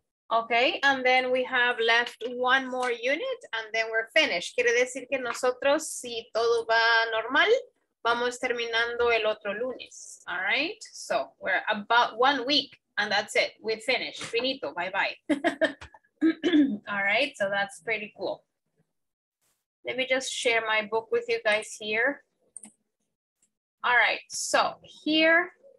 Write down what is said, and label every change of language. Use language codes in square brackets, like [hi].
[en] Okay, and then we have left one more unit and then we're finished. [es] Quiere decir que nosotros, si todo va normal, vamos terminando el otro lunes. [en] All right, so we're about 1 week and that's it. We finished. Finito. Bye bye. All right, so that's pretty cool. Let me just share my book with you guys here. All right, so here.